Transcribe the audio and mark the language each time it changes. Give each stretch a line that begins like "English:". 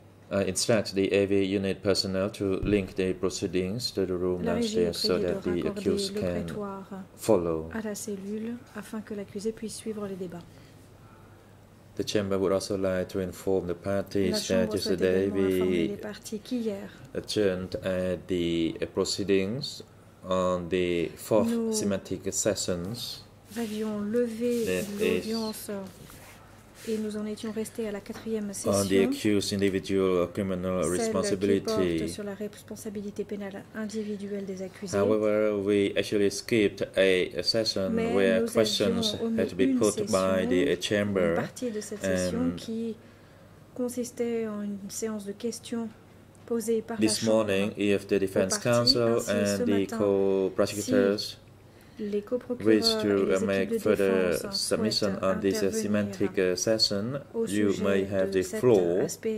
English: I instruct the AV unit personnel to link the proceedings to the room downstairs so that the accused can follow.
French: À la cellule afin que l'accusé puisse suivre les débats.
English: The chamber would also like to inform the parties that yesterday we adjourned at the proceedings on the fourth semantic sessions.
French: Nous avions levé l'audience. Et nous en étions restés à la quatrième session.
English: On the accused individual criminal responsibility.
French: Celle qui porte sur la responsabilité pénale individuelle des accusés.
English: However, we actually skipped a session
French: Mais
English: where questions had to be put by the chamber.
French: Une partie de cette session qui consistait en une séance de questions. Posées par
English: this
French: la
English: morning, if the defense counsel and the co-prosecutors wish to make further submission on this semantic session, you may have the floor.